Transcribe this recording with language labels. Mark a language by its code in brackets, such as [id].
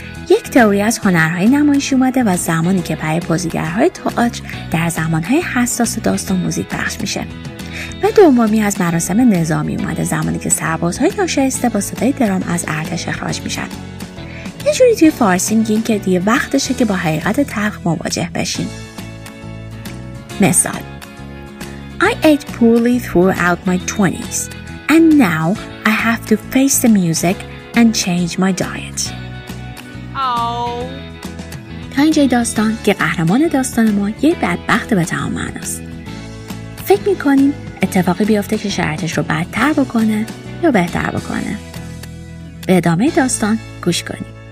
[fa] یک تئوری از هنرهای نمایشی اومده و زمانی که برای بازیگرهای تئاتر در زمانهای حساس داستان موزیک پخش میشه، و دومی از مراسم نظامی اومده زمانی که سربازهای ناشایسته با صدای درام از ارتش اخراج میشن. یه جوری توی فارسی میگیم که دیگه وقتشه که با حقیقت تلخ مواجه بشیم. مثال: [en] I ate poorly throughout my 20s and now I have to face the music and change my diet. [fa] تا اینجای داستان که قهرمان داستان ما یه بدبخت به تمام معناست. فکر میکنیم اتفاقی بیافته که شرطش رو بدتر بکنه یا بهتر بکنه. به ادامه داستان گوش کنیم.